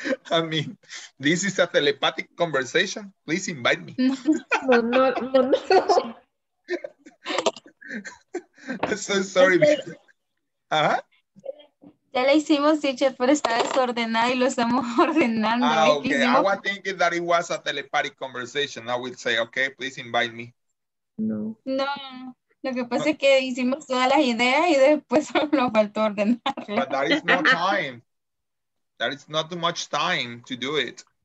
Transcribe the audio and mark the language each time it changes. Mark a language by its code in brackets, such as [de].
[en] I mean, this is a telepathic conversation. Please invite me. No. So sorry. [es] Ya le hicimos, teacher, pero está desordenada y lo estamos ordenando. [en] Ah, okay. [es] Hicimos... [en] I was thinking that it was a telepathic conversation. I will say, okay, please invite me. [es] No. Lo que pasa es que hicimos todas las ideas y después solo nos faltó ordenar. [en] But there is no time. There is not too much time to do it.